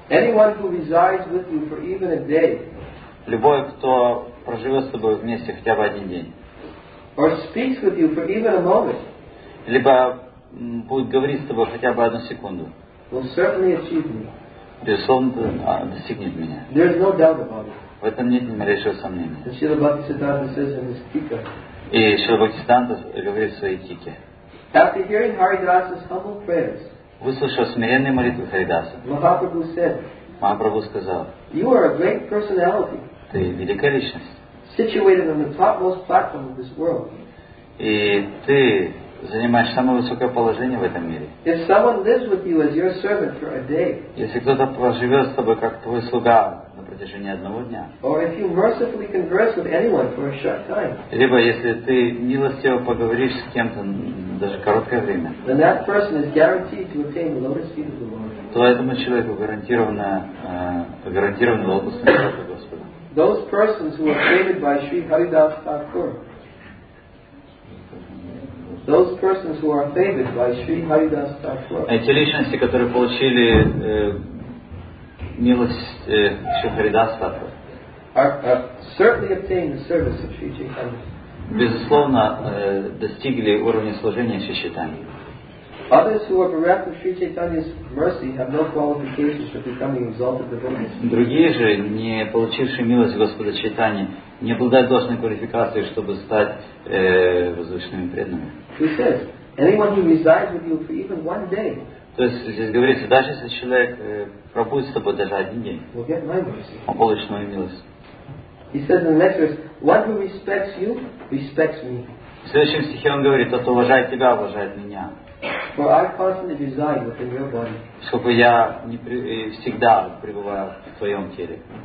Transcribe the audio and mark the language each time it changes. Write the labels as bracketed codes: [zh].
[en] Anyone who resides with you for even a day, [ru] любой, кто проживет с тобой вместе хотя бы один день, [en] or speaks with you for even a moment, [ru] либо будет говорить с тобой хотя бы одну секунду, [en] will certainly achieve me. [ru] Безусловно, достигнет меня. [en] There is no doubt about it. [ru] В этом нет ни малейшего сомнения. [en] The Srila Bhaktisiddhanta says in his tika. [ru] И Srila Bhaktisiddhanta говорит в своей тике. [en] After hearing Haridasa's humble prayers, [ru] выслушав смиренные молитвы Харидаса, Махапрабху said, Махапрабху сказал, [en] "You are a great personality. [ru] Ты великая личность. [en] Situated on the topmost platform of this world. [ru] И ты занимаешь самое высокое положение в этом мире. [en] If someone lives with you as your servant for a day, [ru] если кто-то проживет с тобой как твой слуга на протяжении одного дня, [en] or if you mercifully converse with anyone for a short time, [ru] либо если ты милостиво поговоришь с кем-то даже короткое время, [en] then that person is guaranteed to attain the lotus feet of the Lord. [ru] То этому человеку гарантированно лотос ног Господа. [en] Those persons who are favored by Sri Haridas Thakur. Those persons who are favored by Sri Haridas Thakur. [ru] Эти личности, которые получили милость Sri Haridas Thakur, [en] certainly obtained the service of Sri Chaitanya. [ru] Безусловно, достигли уровня служения Шри Чайтаньи. [en] Others who are bereft of Sri Chaitanya's mercy have no qualifications for becoming exalted devotees. [ru] Другие же, не получившие милость Господа Чайтаньи, не обладают должной квалификацией, чтобы стать возвышенными преданными. [en] He says, anyone who resides with you for even one day. [ru] То есть здесь говорится, даже если человек пробудет с тобой даже один день, [en] will get my mercy. [ru] Он получит мою милость. [en] He says in the next verse, "One who respects you respects me." [ru] В следующем стихе он говорит, тот, кто уважает тебя, уважает меня. [en] For I constantly reside within your body. [ru] Поскольку я не всегда пребываю в твоем теле.